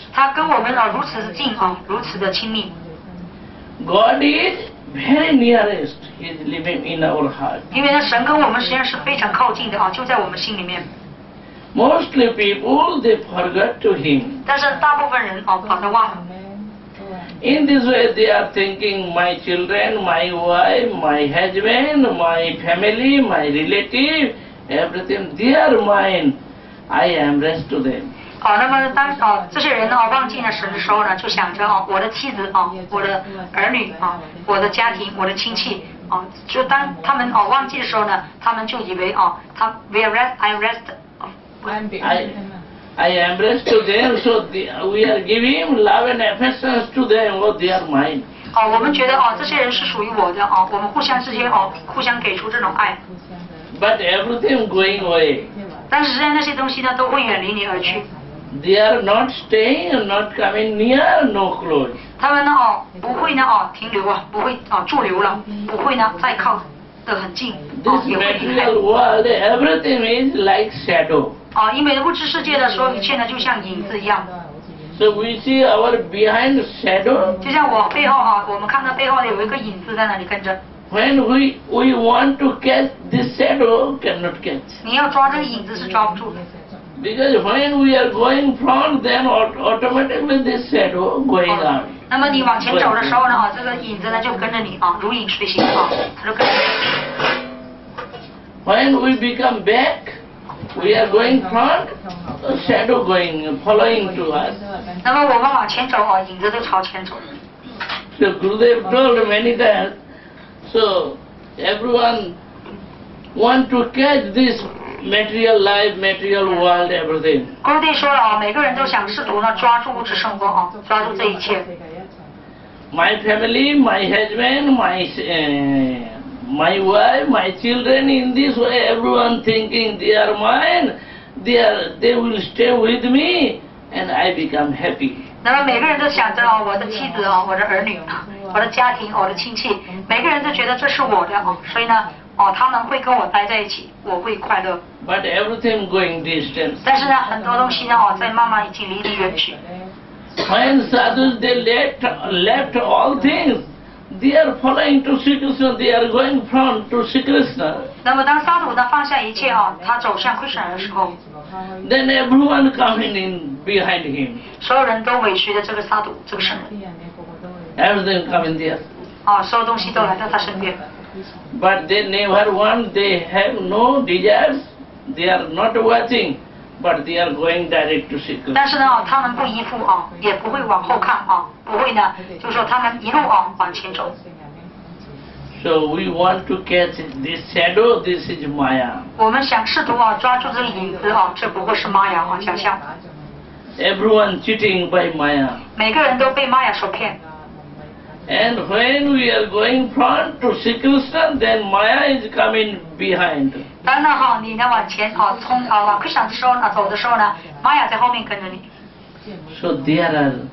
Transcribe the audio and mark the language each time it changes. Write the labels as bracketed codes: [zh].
[zh] 他跟我们哦如此的近哦，如此的亲密。 [en] God is very nearest. He is living in our heart. [zh] 因为呢，神跟我们实际上是非常靠近的哦，就在我们心里面。 [en] Mostly people they forget to him. [zh] 但是大部分人哦，把他忘了。 [en] In this way, they are thinking, my children, my wife, my husband, my family, my relative, everything, they are mine. I am rest to them. [zh] 哦，那么当哦，这些人呢，忘记了神的时候呢，就想着哦，我的妻子啊，我的儿女啊，我的家庭，我的亲戚啊，就当他们哦忘记的时候呢，他们就以为哦，他 [en] we rest, I rest. I embrace to them, so we are giving love and affection to them, oh, they are mine. [zh] 哦，我们觉得哦，这些人是属于我的哦，我们互相之间哦，互相给出这种爱。 [en] But everything going away. [zh] 但实际上那些东西呢，都会远离你而去。 [en] They are not staying, not coming near, no close. [zh] 他们呢哦，不会呢哦停留啊，不会哦驻留了，不会呢再靠得很近。 [en] This material world, everything is like shadow. [zh] 哦，因为物质世界的所有一切呢，就像影子一样。 [en] So we see our behind shadow. [zh] 就像我背后哈，我们看到背后有一个影子在那里跟着。 [en] When we want to catch this shadow, cannot catch. [zh] 你要抓这个影子是抓不住的。 [en] Because when we are going front, then automatically this shadow going out. [zh] 那么你往前走的时候呢，这个影子呢就跟着你啊，如影随形啊，它就跟着你。 [en] When we become back. We are going front, a shadow going, following to us. [zh] 那么我们往前走哦，影子都朝前走。 [en] So Gurudev told many that, so everyone want to catch this material life, material world, everything. [zh] Gurudev 说了哦，每个人都想试图呢抓住物质生活哦，抓住这一切。 [en] My family, my husband, my. My wife, my children, in this way, everyone thinking they are mine, they will stay with me, and I become happy. [zh] 那么每个人都想着我的妻子我的儿女我的家庭我的亲戚，每个人都觉得这是我的所以呢他们会跟我待在一起，我会快乐。 [en] But everything going distance. [zh] 但是呢，很多东西呢在慢慢已经离你远去。 [en] When Sadhu they left all things. They are following to Sri Krishna. They are going front to Sri Krishna. [zh] 那么当沙土呢放下一切他走向 Krishna 的时候 [en] ，Then everyone coming in behind him. [zh] 所有人都尾随着这个沙土，这个神。 [en] Everything coming there. [zh] 所有东西都来到他身边。 [en] But they never want. They have no desires. They are not watching, but they are going direct to Sri Krishna. [zh] 但是呢，他们不依附也不会往后看不会呢，就是说他们一路往前走。 [en] So we want to catch this shadow. This is Maya. [zh] 我们想试图抓住这个影子这不过是 Maya 想象。 [en] Everyone cheating by Maya. [zh] 每个人都被 Maya 所骗。 [en] And when we are going front to Sri Krishna, then Maya is coming behind. [zh] 当然你呢往前冲往 Krishna 的时候呢，走的时候呢 ，Maya 在后面跟着你。 [en] So there are.